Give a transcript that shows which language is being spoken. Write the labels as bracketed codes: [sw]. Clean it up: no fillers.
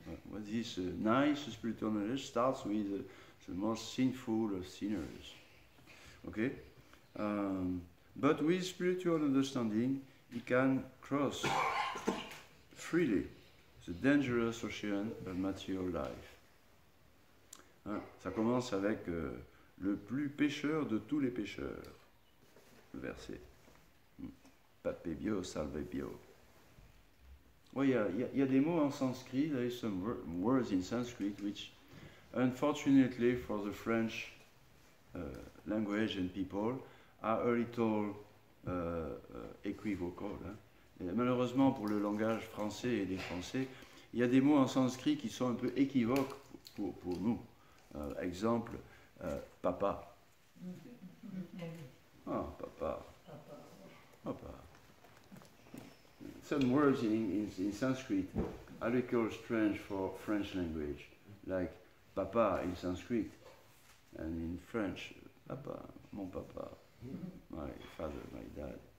[en] What is this nice spiritual knowledge starts with the most sinful of sinners. Okay? But with spiritual understanding, he can cross freely the dangerous ocean of material life. [fr] Hein, ça commence avec le plus pécheur de tous les pécheurs. Le verset. Pape bio, salve bio. Oui, il y a des mots en sanskrit. [en] There is some words in Sanskrit which, unfortunately for the French language and people, are a little equivocal. Hein. [fr] Malheureusement pour le langage français et des Français, il y a des mots en sanskrit qui sont un peu équivoques pour nous. Exemple, papa. [en] Ah, oh, papa. Papa. Some words in Sanskrit are a little strange for French language, like papa in Sanskrit, and in French, papa, [fr] mon papa, [en] my father, my dad.